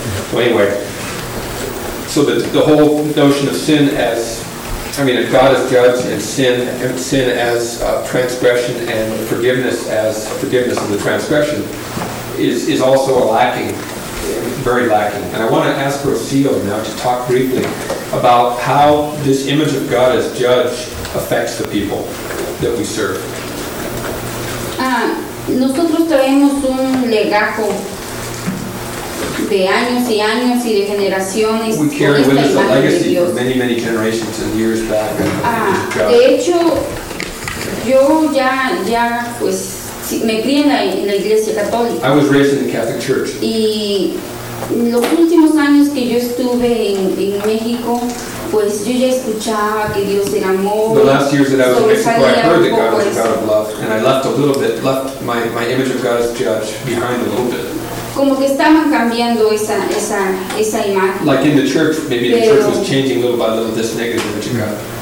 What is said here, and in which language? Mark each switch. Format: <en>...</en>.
<en>So anyway, so the whole notion of sin as, I mean, if God is judge and sin as transgression and forgiveness as forgiveness of the transgression is also a lacking, very lacking. And I want to ask Rocio now to talk briefly about how this image of God as judge affects the people that we serve.</en> <es>Nosotros traemos un legajo de años y años y de generaciones.</es> <en>We carry with us a legacy of many, many generations and years back.</en> <es>De hecho, yo ya pues me crié en la Iglesia Católica.</es> <en>I was raised in the Catholic Church.</en> <es>Y los últimos años que yo estuve en México, pues yo ya escuchaba que Dios era amor.</es> <en>The last years that I was in Mexico, I heard that God was a God of love, and I left a little bit, left my image of God as judge behind a little bit.</en> <es>Como que estaban cambiando esa imagen.</es> <en>Like in the church, maybe the church was changing little by little this negative image of God.</en>